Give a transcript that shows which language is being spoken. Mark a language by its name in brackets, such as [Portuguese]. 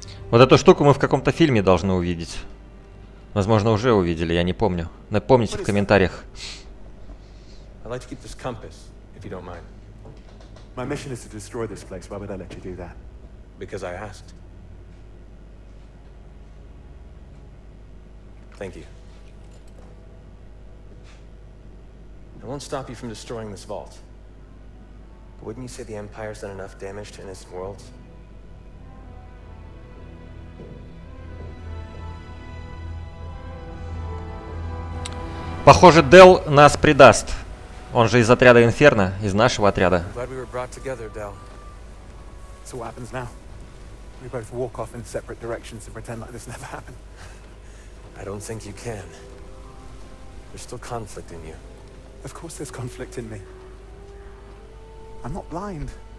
[Russian] Вот эту штуку мы в каком-то фильме должны увидеть. Возможно, уже увидели, я не помню. Напомните в комментариях. [English] I'd like to keep this compass, if you don't mind. My mission is to destroy this place. Why would I let you do that? Because I asked. Thank you. I won't stop you from destroying this vault. But wouldn't you say the Empire's done enough damage to innocent worlds? [Russian] Похоже, Дел нас предаст. Он же из отряда Инферно, из нашего отряда. [English] Glad we were brought together, Del. So what happens now? We both walk off in separate directions and pretend like this never happened. I don't think you can. There's still conflict in you. Of course there's conflict in me. I'm not blind.